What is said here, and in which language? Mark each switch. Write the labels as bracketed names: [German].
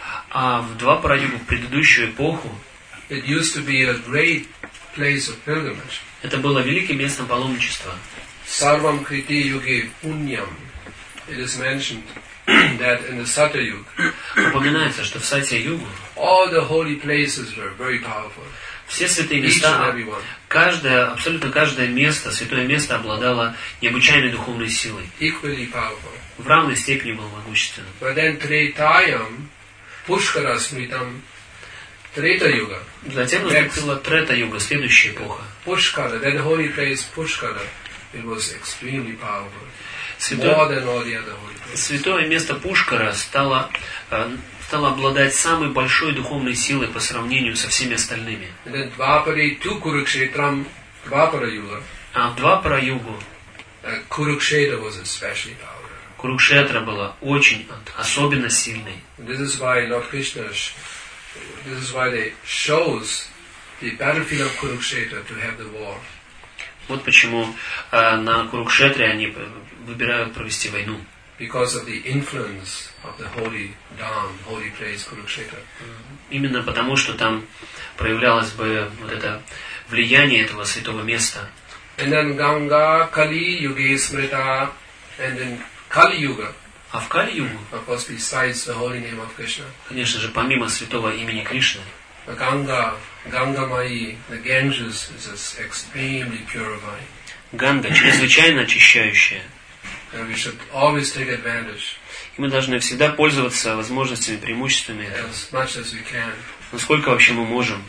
[Russian] А в Двапара-югу, в предыдущую эпоху, это было великое место паломничества. [Sanskrit] Sarvam kriti yuge punyam. [English] It is mentioned that in the Satya Yuga. [Russian] Упоминается, что в Сатья Югу. [English] All the holy places were very powerful. [Russian] Все святые места. Каждое, абсолютно каждое место, святое место обладало необычайной духовной силой. [English] Equally powerful. [Russian] В равной степени было могущественным. [English] But then [Sanskrit] Tretayam, Pushkara smritam, [English] Treta Yuga. [Russian] Затем наступила Трета Юга, следующая эпоха. [English] Pushkara, then the holy place Pushkara. It was extremely powerful. More than all the other holy places. [Russian] Святое место Пушкара стало обладать самой большой духовной силой по сравнению со всеми остальными. [English] And then Dvapara to Kurukshetram, Dvapara Yuga. [Russian] А в Двапара Югу [English] Kurukshetra was especially powerful. [Russian] Курукшетра была очень особенно сильной. [English] This is why they chose the battlefield of Kurukshetra to have the war. [Russian] Вот почему на Курукшетре они выбирают провести войну. [English] Because of the influence of the holy dham, holy place Kurukshetra. [Russian] Именно потому, что там проявлялось бы вот это влияние этого святого места. [English] And then Ganga, Kali, Yuga, Smrita, and then Kali Yuga. [Russian] А в Кали Югу? [English] Of course, besides the holy name of Krishna. [Russian] Конечно же, помимо святого имени Кришны. [English] Ганга Майи, the Ganges is extremely purifying. [Russian] Ганга чрезвычайно очищающая. [English] And we should always take advantage. [Russian] И мы должны всегда пользоваться возможностями, преимуществами. [English] As much as we can. [Russian] Насколько вообще мы можем.